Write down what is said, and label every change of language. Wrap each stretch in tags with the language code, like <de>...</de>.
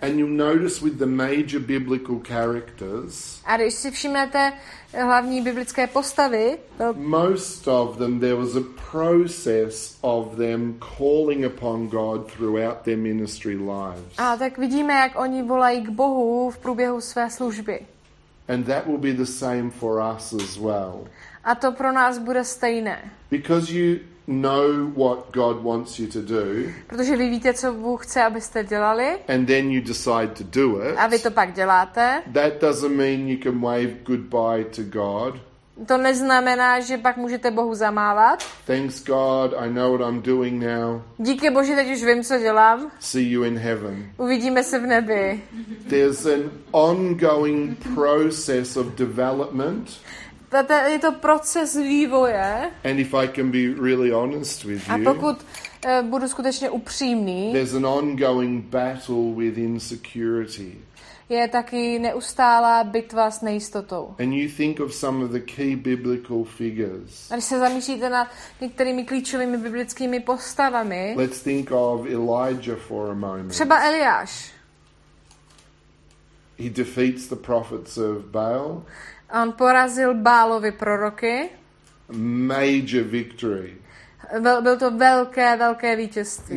<en>And you notice with the major biblical characters.</en> <cs>A když si všimnete hlavní biblické postavy.</cs> <en>Most of them, there was a process of them calling upon God throughout their ministry lives.</en> <cs>A tak vidíme, jak oni volají k Bohu v průběhu své služby.</cs> <en>And that will be the same for us as well.</en> <cs>A to pro nás bude stejné.</cs> <en>Because you know what God wants you to do.</en> <cs>Protože vy víte, co Bůh chce, abyste dělali.</cs> <en>And then you decide to do it.</en> <cs>A vy to pak děláte.</cs> <en>That doesn't mean you can wave goodbye to God.</en> <cs>To neznamená, že pak můžete Bohu zamávat.</cs> <en>Thanks God, I know what I'm doing now.</en> <cs>Díky Bože, teď už vím, co dělám.</cs> <en>See you in heaven.</en> <cs>Uvidíme se v nebi.</cs> <en>There's an ongoing process of development.</en> <cs>Je to proces vývoje.</cs> <en>And if I can be really honest with you,</en> <cs>a pokud budu skutečně upřímný,</cs> <en>there's an ongoing battle with insecurity.</en> <cs>Je taky neustálá bitva s nejistotou.</cs> <en>And you think of some of the key biblical figures.</en> <cs>A když se zamýšlíte nad některými klíčovými biblickými postavami,</cs> <en>let's think of Elijah for a moment.</en> <cs>Třeba Eliáš.</cs> <en>He defeats the prophets of Baal.</en> <cs>On porazil Bálovy proroky.</cs> <en>Major victory.</en> <cs>Byl to velké, velké vítězství.</cs>